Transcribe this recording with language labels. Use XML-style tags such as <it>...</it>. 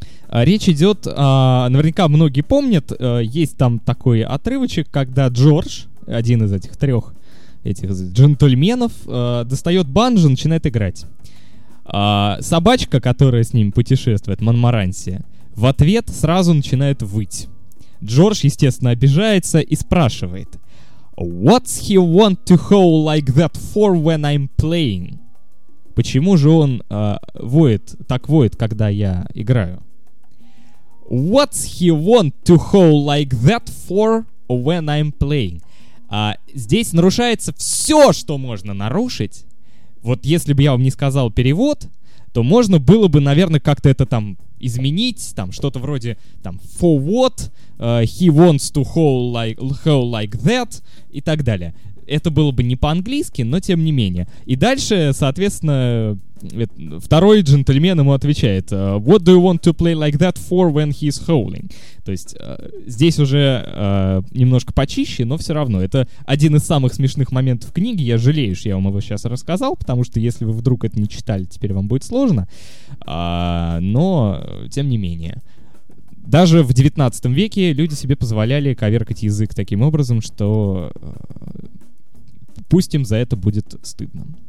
<ru>Речь идет, наверняка многие помнят, есть там такой отрывочек, когда Джордж, один из этих трех этих джентльменов, достает банджо и начинает играть. Собачка, которая с ним путешествует, Монморанси, в ответ сразу начинает выть. Джордж, естественно, обижается и спрашивает:</ru> <en>«What's he want to howl like that for when I'm playing?»</en> <ru>Почему же он воет, когда я играю?</ru> <en>«What's he want to howl like that for when I'm playing?»</en> <ru>Здесь нарушается все, что можно нарушить. Вот если бы я вам не сказал перевод, то можно было бы, наверное, как-то это там изменить, там что-то вроде там</ru> <en>«for what», «he wants to howl like that»</en> <ru>и так далее. Это было бы не по-английски, но тем не менее. И дальше, соответственно, второй джентльмен ему отвечает:</ru> <en>«What do you want to play like that for when he's howling?»</en> <ru>То есть здесь уже немножко почище, но все равно. Это один из самых смешных моментов книги. Я жалею, что я вам его сейчас рассказал, потому что если вы вдруг это не читали, теперь вам будет сложно. Но тем не менее. Даже в 19 веке люди себе позволяли коверкать язык таким образом, что пусть им за это будет стыдно.</ru>